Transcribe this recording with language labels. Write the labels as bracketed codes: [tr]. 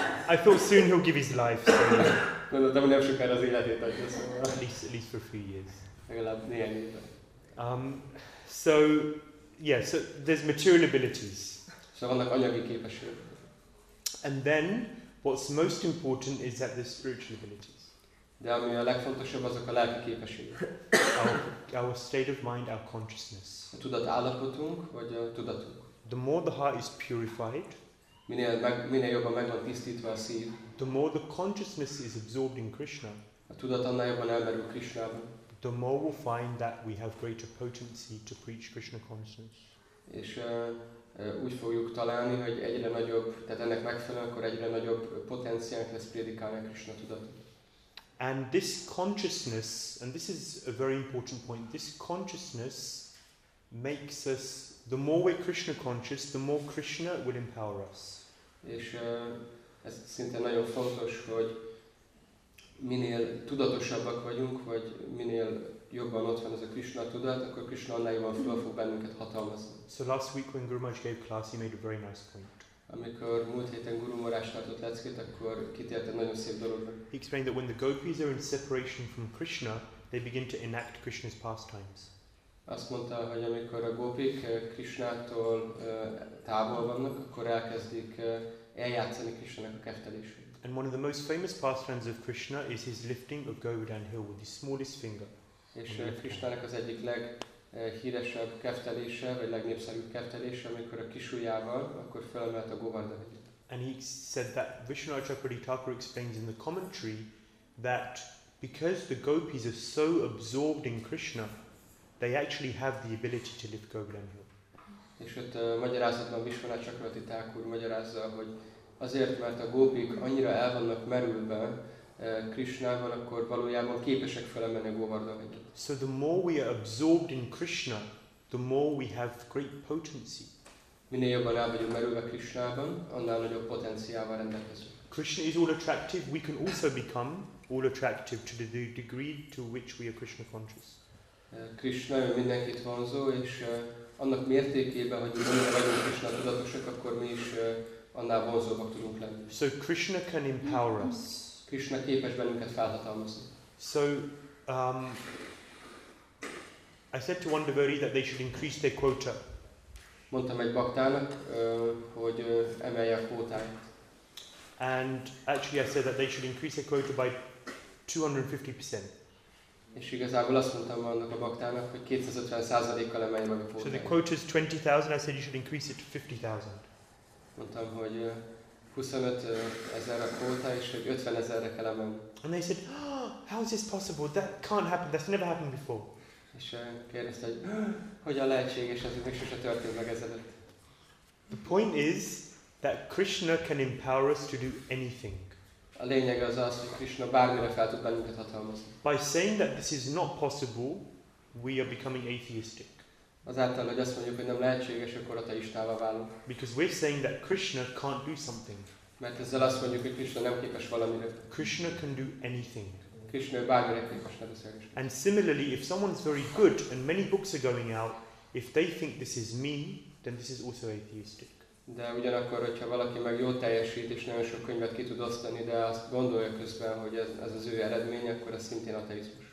[en] I thought soon he'll give his life. At least for a few years. So there's material abilities. And then what's most important is that there's spiritual abilities. [hu] De ami a legfontosabb, azok a lelki képességek. [en] Our state of mind, our consciousness. [hu] A tudatállapotunk, vagy a tudatunk. [en] The more the heart is purified, [hu] minél jobban meg van tisztítva a szív, [en] the more the consciousness is absorbed in Krishna, [hu] a tudat annál jobban elmerül Krishnában, [en] the more we'll find that we have greater potency to preach Krishna consciousness. [hu] És úgy fogjuk találni, hogy egyre nagyobb, tehát ennek megfelelően akkor egyre nagyobb potenciánk lesz prédikálni Krishna tudatot. [en] And this consciousness, and this is a very important point, this consciousness makes us, the more we're Krishna conscious, the more Krishna will empower us. [hu] És ez szinte nagyon fontos, hogy minél tudatosabbak vagyunk, vagy minél jobban ott van ez a Krishna tudat, akkor Krishna annál jobban föl fog bennünket hatalmazni. [en] So last week when Guru Maharaj gave class, he made a very nice point. [hu] Amikor múlt héten Guru Maharaj tartott leckét, akkor kitért egy nagyon szép dologra. [en] He explained that when the gopis are in separation from Krishna, they begin to enact Krishna's pastimes. [hu] Azt mondta, hogy amikor a gopik Krishnától távol vannak, akkor elkezdik eljátszani Krishna-nak a keftelését. [en] And one of the most famous pastimes of Krishna is his lifting of Govardhan Hill with his smallest finger. [hu] És Krishna-nak az egyik híresebb keftelése, vagy legnépszerűbb keftelése, amikor a kis ujjával, akkor felemelt a Govardhan Hillet. [en] And he said that Vishnu Acharya Thakur explains in the commentary that because the gopis are so absorbed in Krishna, they actually have the ability to lift Govardhan Hill. [hu] És ott magyarázatban Vishnu Acharya Thakur magyarázza, hogy azért, mert a gópik annyira el vannak merülve Krishnával, akkor valójában képesek felemelni a Govardhanit. [en] So the more we are absorbed in Krishna, the more we have great potency. [hu] Minél jobban el vagyunk merülve Krishnában, annál nagyobb potenciával rendelkezünk. [en] Krishna is all attractive, we can also become all attractive to the degree to which we are Krishna conscious. [hu] Krishna mindenkit vonzó, és annak mértékében, hogy mennyire vagyunk Krishna tudatosak, akkor mi is annál vonzóbbak tudunk lenni. [en] So Krishna can empower us. [hu] Krishna képes bennünket felhatalmazni. [en] So, I said to one devotee that they should increase their quota. [hu] Mondtam egy baktának, hogy emelje a kvótáját. [en] And actually I said that they should increase their quota by 250%. [hu] És igazából azt mondtam annak a baktának, hogy 250%-kal emelje meg a kvótáját. [en] So the quota is 20,000, I said you should increase it to 50,000. [hu] Mondtam, hogy 25,000 a kvóta, és hogy 50,000-re kell emelni. [en] And they said, how is this possible? That can't happen. That's never happened before. [hu] És kérdezte, hogy hogyan lehetséges ez, hogy még sose történt meg ezelőtt. [en] The point is that Krishna can empower us to do anything. [hu] A lényeg az, hogy Krishna bármire fel tud bennünket hatalmazni. [en] By saying that this is not possible, we are becoming atheistic. [hu] Azáltal, hogy azt mondjuk, hogy nem lehetséges, akkor ateistává válunk. [en] Because we're saying that Krishna can't do something. [hu] Mert ezzel azt mondjuk, hogy Krishna nem képes valamire. [en] Krishna can do anything. [hu] Krishna bármire képes, nem is lehetséges. [en] And similarly, if someone's very good and many books are going out, if they think this is me, then this is also atheistic. [hu] De ugyanakkor, hogyha valaki meg jól teljesít és nagyon sok könyvet ki tud osztani, de azt gondolja közben, hogy ez az ő eredménye, akkor ez szintén ateizmus.